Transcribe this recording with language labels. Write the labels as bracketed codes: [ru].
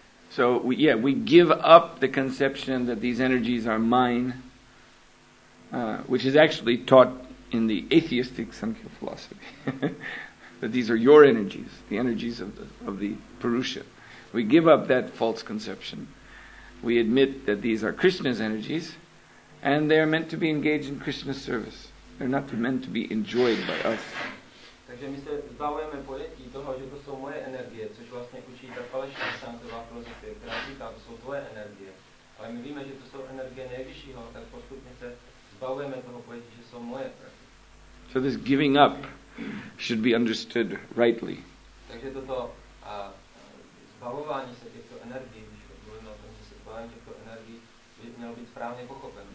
[en] So we give up the conception that these energies are mine, which is actually taught in the atheistic Samkhya philosophy, that these are your energies, the energies of the Purusha. We give up that false conception. We admit that these are Krishna's energies, and they are meant to be engaged in Krishna's service. They're not meant to be enjoyed by us. [cs] Takže my se zbavujeme pojetí toho, že to jsou moje energie, což vlastně učí ta falešná sanktová filozofie, která říká, to jsou tvoje energie. Ale my víme, že to jsou energie nejvyššího, tak postupně se zbavujeme toho pojetí, že jsou moje. [en] So this giving up should be understood rightly. [cs] Takže toto zbavování se těchto energií, když mluvíme o tom, že se zbavujeme těchto energií, by mělo být správně pochopeno.